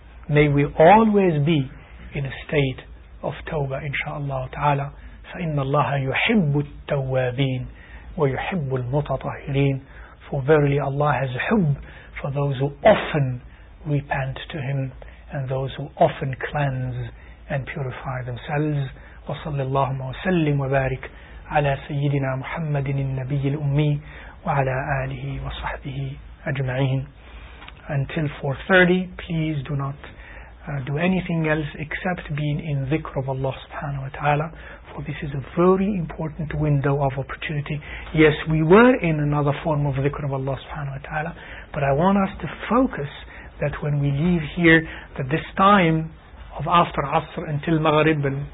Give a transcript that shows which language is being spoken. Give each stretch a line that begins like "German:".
English: May we always be in a state of tawbah insha'Allah ta'ala.
Arabic: فَإِنَّ اللَّهَ يُحِبُّ التَّوَّابِينَ وَيُحِبُّ الْمُتَطَهِرِينَ.
English: For verily Allah has hubb for those who often repent to Him and those who often cleanse and purify themselves.
Arabic: وَصَلِّ اللَّهُمَّ وَسَلِّمْ وَبَارِكْ على سيدنا محمد النبي الأمي وعلى آله وصحبه أجمعين.
English: until 4:30. Please do not do anything else except being in dhikr of Allah subhanahu wa ta'ala. For this is a very important window of opportunity. Yes, we were in another form of dhikr of Allah subhanahu wa ta'ala, but I want us to focus that when we leave here, that this time of after asr until maghrib,